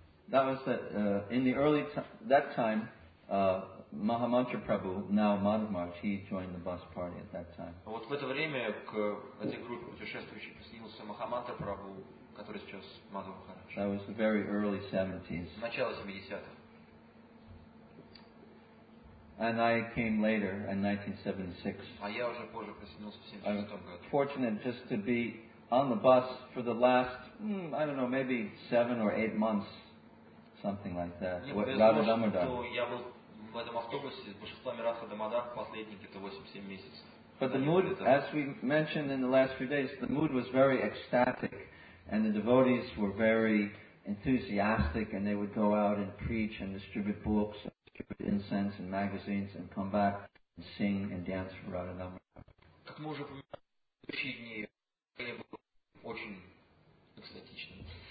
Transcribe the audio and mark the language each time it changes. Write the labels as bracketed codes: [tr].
[en] That was that in the early that time, Mahamantra Prabhu, now Madhav Maharaj, he joined the bus party at that time. [ru] Вот в это время к этой группе путешествующих присоединился Махамантра Прабу, который сейчас Мадхава Махарадж. [en] That was the very early 70s. [ru] Начало 70-х. [en] And I came later in 1976. [ru] А я уже позже присоединился в 76-м году. [en] Fortunate just to be on the bus for the last, I don't know, maybe 7 or 8 months. Something like that. [ru] Радха Дамодар. Я был в этом автобусе с божествами Радха Дамодар последние где-то 8-7 месяцев. [en] But the mood, as we mentioned in the last few days, the mood was very ecstatic, and the devotees were very enthusiastic, and they would go out and preach and distribute books, and distribute incense and magazines, and come back and sing and dance for Радха Дамодар. [ru] Как мы уже упоминали, в следующие дни они были очень экстатичны.